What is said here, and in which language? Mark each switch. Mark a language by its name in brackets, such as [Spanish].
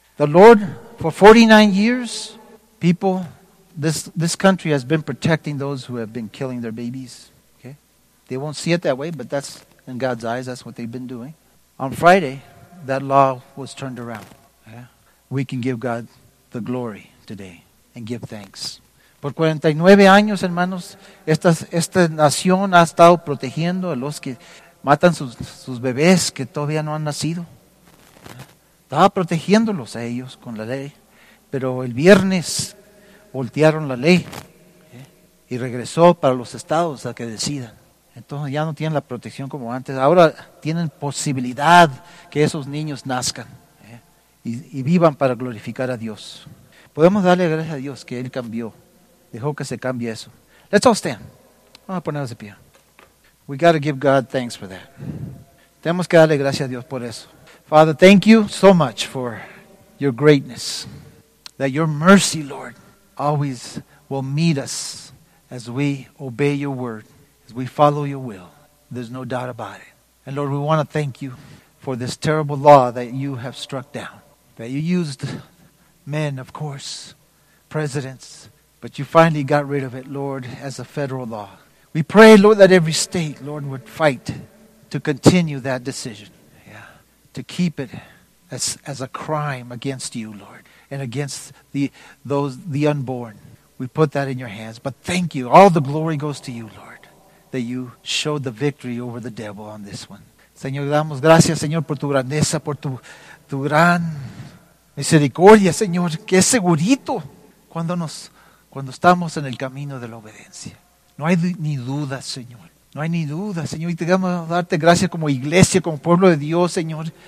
[English] The Lord, for 49 years, people, this country has been protecting those who have been killing their babies. Okay? They won't see it that way, but that's, in God's eyes, that's what they've been doing. On Friday, that law was turned around. Yeah? We can give God the glory today and give thanks. [Spanish] Por 49 años, hermanos, esta nación ha estado protegiendo a los que matan sus bebés que todavía no han nacido. Estaba protegiéndolos a ellos con la ley. Pero el viernes voltearon la ley. Y regresó para los estados a que decidan. Entonces ya no tienen la protección como antes. Ahora tienen posibilidad que esos niños nazcan. Y vivan para glorificar a Dios. Podemos darle gracias a Dios que Él cambió. Dejó que se cambie eso. [English] Let's all stand. [Spanish] Vamos a ponernos de pie. [English] We got to give God thanks for that. [Spanish] Tenemos que darle gracias a Dios por eso. [English] Father, thank you so much for your greatness. That your mercy, Lord, always will meet us as we obey your word, as we follow your will. There's no doubt about it. And Lord, we want to thank you for this terrible law that you have struck down. That you used men, of course, presidents, but you finally got rid of it, Lord, as a federal law. We pray, Lord, that every state, Lord, would fight to continue that decision. Yeah. To keep it as a crime against you, Lord, and against the unborn. We put that in your hands. But thank you. All the glory goes to you, Lord, that you showed the victory over the devil on this one. [Spanish] Señor, damos gracias, Señor, por tu grandeza, por tu gran misericordia, Señor. Qué segurito cuando estamos en el camino de la obediencia. No hay ni duda, Señor. No hay ni duda, Señor. Y te queremos darte gracias como iglesia, como pueblo de Dios, Señor.